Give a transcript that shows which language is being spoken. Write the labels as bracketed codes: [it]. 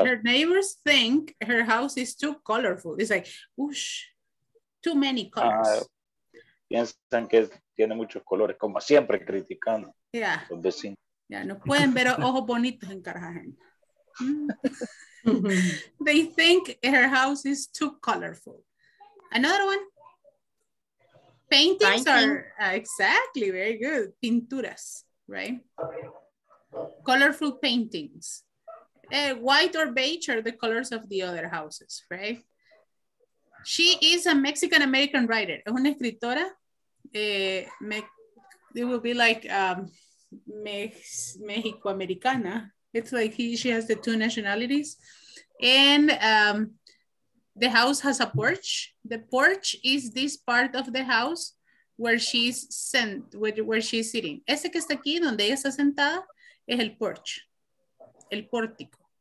[en] Her neighbors think her house is too colorful. It's like, whoosh, too many colors. [es] Piensan que tiene muchos colores, como siempre criticando. [en] Yeah. [es] Los vecinos. Yeah, no pueden ver ojos bonitos en Cartagena. [en] They think her house is too colorful. Another one. Paintings are exactly very good. Pinturas, right? Colorful paintings. White or beige are the colors of the other houses, right? She is a Mexican-American writer. [es] Es una escritora. [en] It will be like Mexico-Americana. It's like she has the two nationalities. And the house has a porch. The porch is this part of the house where she's where she's sitting. [es] Ese que está aquí, donde ella está sentada, es el porch, el pórtico.